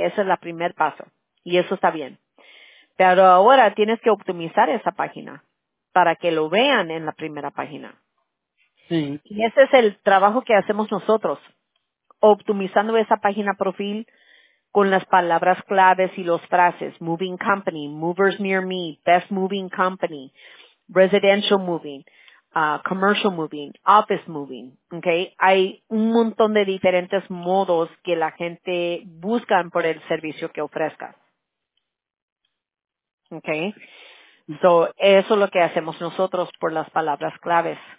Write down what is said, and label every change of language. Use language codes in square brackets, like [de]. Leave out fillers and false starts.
[es] Ese es el primer paso. Y eso está bien. Pero ahora tienes que optimizar esa página para que lo vean en la primera página. Sí. Y ese es el trabajo que hacemos nosotros. Optimizando esa página profil con las palabras claves y los frases. [en] Moving company, movers near me, best moving company, residential moving. Commercial moving, office moving, okay. [es] Hay un montón de diferentes modos que la gente buscan por el servicio que ofrezcas. Okay. So, eso es lo que hacemos nosotros por las palabras claves.